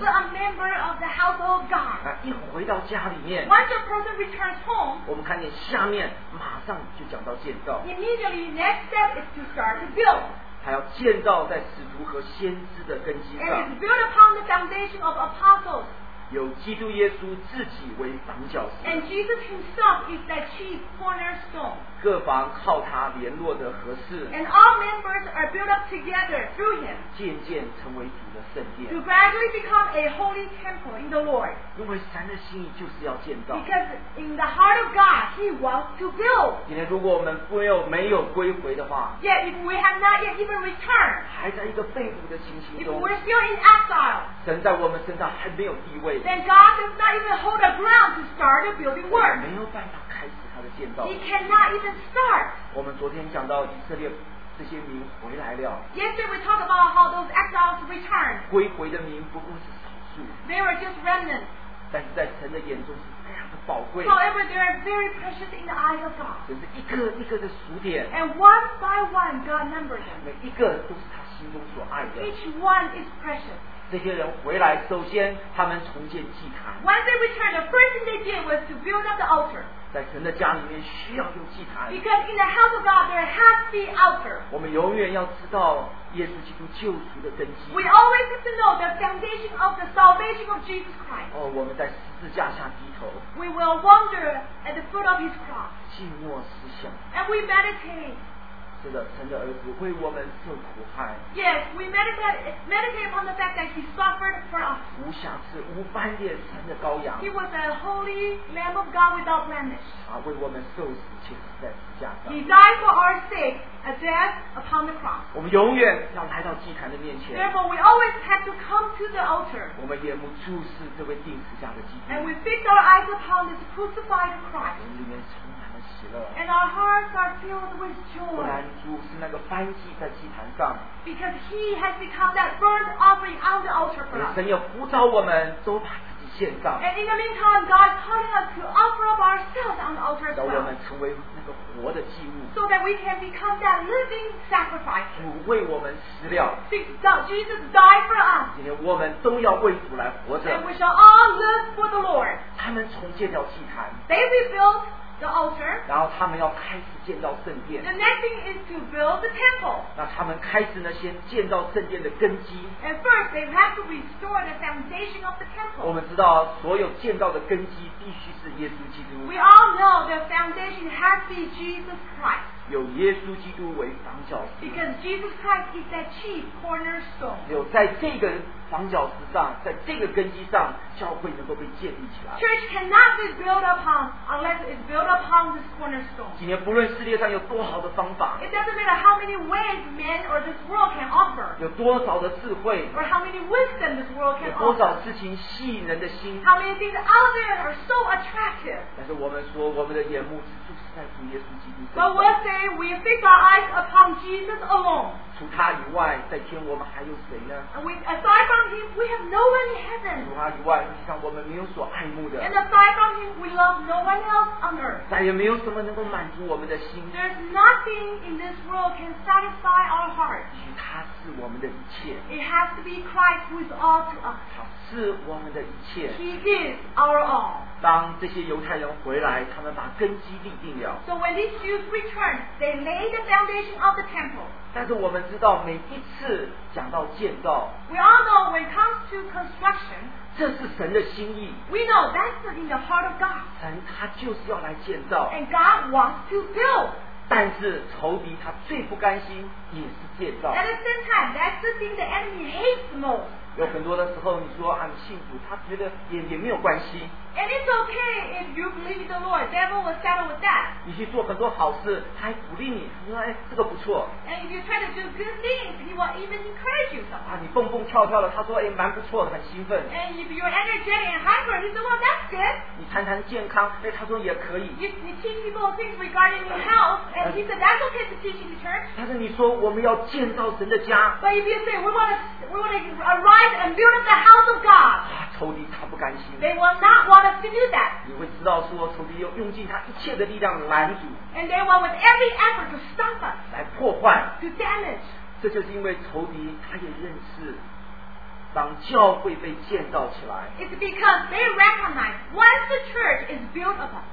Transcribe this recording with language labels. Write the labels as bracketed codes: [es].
[en] But a member of the household of God. [zh] 啊，一回到家里面。 [en] Once a person returns home. [zh] 我们看见下面马上就讲到建造。 [en] Immediately, next step is to start to build. [zh] 还要建造在使徒和先知的根基上。 [en] And it's built upon the foundation of apostles. [zh] 有基督耶稣自己为房角石。 [en] And Jesus himself is the chief cornerstone. [zh] 各房靠他联络的合适。 [en] And all members are built up together through him. [zh] 渐渐成为主的圣殿。 [en] To gradually become a holy temple in the Lord. [zh] 因为神的心意就是要建造。 [en] Because in the heart of God, he wants to build. [zh] 今天如果我们没有归回的话。 [en] Yet if we have not yet even returned. [zh] 还在一个被掳的情形中。 [en] If we're still in exile. [zh] 神在我们身上还没有地位。 [en] Then God does not even hold a ground to start a building work. [zh] 没有办法开始。 [en] He cannot even start. [zh] 我们昨天讲到以色列这些民回来了。 [en] Yesterday we talked about how those exiles returned. [zh] 归回的民不过是少数。 [en] They were just remnants. [zh] 但是在神的眼中是非常的宝贵。 [en] However, they are very precious in the eyes of God. [zh] 只是一个一个的数点。 [en] And one by one, God numbered them. [zh] 每一个都是他心中所爱的。 [en] Each one is precious. [zh] 这些人回来，首先他们重建祭坛。 [en] When they returned, the first thing they did was to build up the altar. [zh] 在神的家里面需要有祭坛。 [en] Because in the house of God there has to be altar. [zh] 我们永远要知道耶稣基督救赎的根基。 [en] We always have to know the foundation of the salvation of Jesus Christ. [zh] 哦，我们在十字架下低头。 [en] We will wander at the foot of His cross. [zh] 静默思想。 [en] And we meditate. [zh] 是的，神的儿子为我们受苦害。 [en] Yes, we meditate upon the fact that he suffered for us. [zh] 无瑕疵、无斑点，神的羔羊。 [en] He was a holy lamb of God without blemish. [zh] 啊，为我们受死，且死在十字架上。 [en] He died for our sake, a death upon the cross. [zh] 我们永远要来到祭坛的面前。 [en] Therefore, we always have to come to the altar. [zh] 我们眼目注视这位钉十字架的基督。 [en] And we fix our eyes upon this crucified Christ. [zh] 我们里面充满了喜乐。 [en] And our hearts are filled with joy. [zh] 主是那个燔祭在祭坛上 [en] because he has become that burnt offering on the altar for us [zh] 神也呼召我们都把自己献上 [en] and in the meantime God calling us to offer up ourselves on the altar as well [zh] 让我们成为那个活的祭物 [en] so that we can become that living sacrifice [zh] 主为我们死了 [en] since Jesus died for us [zh] 今天我们都要为主来活着 [en] and we shall all live for the Lord [zh] 他们重建了祭坛 [en] they rebuilt the altar [zh] 然后他们要开始建造圣殿 [en] the next thing is to build the temple [zh] 那他们开始呢先建造圣殿的根基 [en] and first they have to restore the foundation of the temple [zh] 我们知道所有建造的根基必须是耶稣基督 [en] we all know the foundation has to be Jesus Christ [zh] 有耶稣基督为房角石 [en] because Jesus Christ is the chief cornerstone [zh] 有在这个房角石上在这个根基上教会能够被建立起来 [en] church cannot be built upon unless it's built upon this cornerstone [zh] 今天不论世界上有多好的方法 [en] it doesn't matter how many ways men or this world can offer [zh] 有多少的智慧 [en] or how many wisdom this world can offer [zh] 有多少事情吸引人的心 [en] how many things out there are so attractive [zh] 但是我们说我们的眼目只注视在主耶稣基督 [en] 上 but we'll say we fix our eyes upon Jesus alone [zh] 除他以外在天我们还有谁呢 [en] and we aside from him we have no one in heaven [zh] 除他以外像我们没有所爱慕的 [en] and aside from him we love no one else on earth [zh] 再也没有什么能够满足我们的心 [en] there's nothing in this world can satisfy our heart [zh] 与他是我们的一切 [en] it has to be Christ who is all to us [zh] 他是我们的一切 [en] he is our all [zh] 当这些犹太人回来他们把根基立定了 [en] so when these Jews returned they laid the foundation of the temple [zh] 但是我们知道每一次讲到建造 [en] we all know when it comes to construction [zh] 这是神的心意 [en] We know that's in the heart of God [zh] 神他就是要来建造 [en] And God wants to build [zh] 但是仇敌他最不甘心也是建造 [en] At the same time that's the thing the enemy hates most [zh] 有很多的时候你说啊你信主他觉得也没有关系 [en] And it's okay if you believe the Lord. Devil will settle with that. [zh] 你去做很多好事，他还鼓励你，他说：“哎，这个不错。” [en] And if you try to do good things, he will even encourage you some. [zh] 啊，你蹦蹦跳跳的，他说：“哎，蛮不错的，很兴奋。” [en] And if you're energetic and hyper, he said, "Well, that's good." [zh] 你谈谈健康，哎，他说也可以。 [en] You teach people things regarding your health, and he said, "That's okay to teach in the church." [zh] 但是你说我们要建造神的家。 [en] But if you say we want to arise and build up the house of God. [zh] 啊，仇敌他不甘心。 [en] They will not want to do that. [zh] 你会知道说仇敌用尽他一切的力量拦阻。 [en] And they want with every effort to stop us. [zh] 来破坏。 [en] To damage. [zh] 这就是因为仇敌他也认识，当教会被建造起来。 [en] It's because they recognize once the church is built up.